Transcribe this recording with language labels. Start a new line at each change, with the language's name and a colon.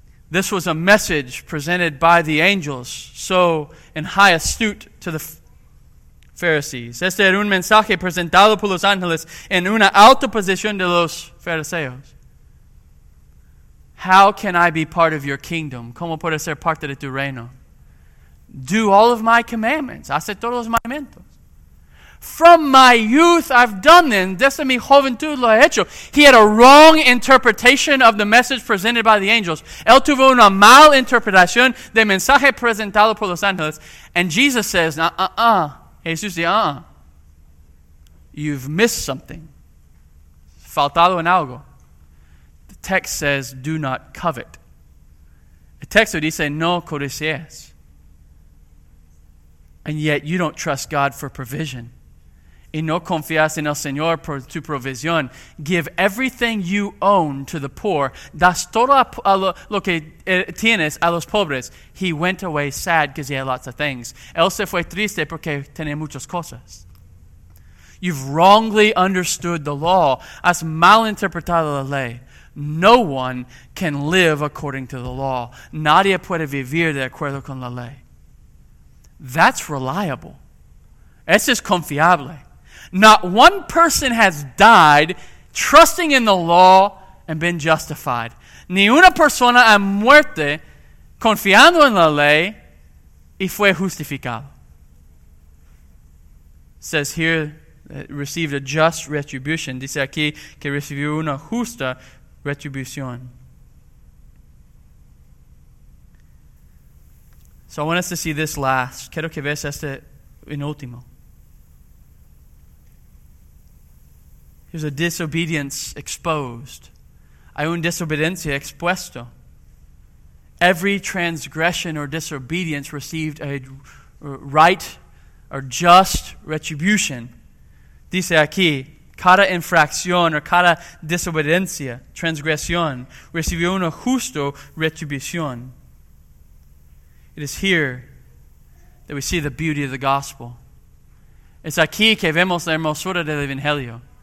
English: This was a message presented by the angels, so in high astute to the Pharisees.
Spanish: Este era un mensaje presentado por los ángeles en una alta posición de los fariseos.
English: How can I be part of your kingdom?
Spanish: ¿Cómo puedo ser parte de tu reino?
English: Do all of my commandments.
Spanish: Hace todos los mandamientos.
English: From my youth, I've done them.
Spanish: Desde mi juventud lo he hecho.
English: He had a wrong interpretation of the message presented by the angels.
Spanish: Él tuvo una mal interpretación del mensaje presentado por los ángeles.
English: And Jesus says,
Spanish: Jesús dice,
English: You've missed something.
Spanish: Faltado en algo.
English: The text says, do not covet.
Spanish: El texto dice, no codicies.
English: And yet you don't trust God for provision.
Spanish: Y no confías en el Señor por tu provisión.
English: Give everything you own to the poor.
Spanish: Das todo lo que tienes a los pobres.
English: He went away sad because he had lots of things.
Spanish: Él se fue triste porque tenía muchas cosas.
English: You've wrongly understood the law.
Spanish: Has malinterpretado la ley.
English: No one can live according to the law.
Spanish: Nadie puede vivir de acuerdo con la ley.
English: That's reliable.
Spanish: Eso es confiable.
English: Not one person has died trusting in the law and been justified.
Spanish: Ni una persona ha muerto confiando en la ley y fue justificado.
English: It says here, received a just retribution.
Spanish: Dice aquí que recibió una justa retribución.
English: So I want us to see this last.
Spanish: Quiero que veas este en último.
English: There's a disobedience exposed.
Spanish: Hay una desobediencia expuesto.
English: Every transgression or disobedience received a right or just retribution.
Spanish: Dice aquí, cada infracción or cada desobediencia, transgresión, recibió una justa retribución.
English: It is here that we see the beauty of the gospel.
Spanish: Es aquí que vemos la hermosura del evangelio.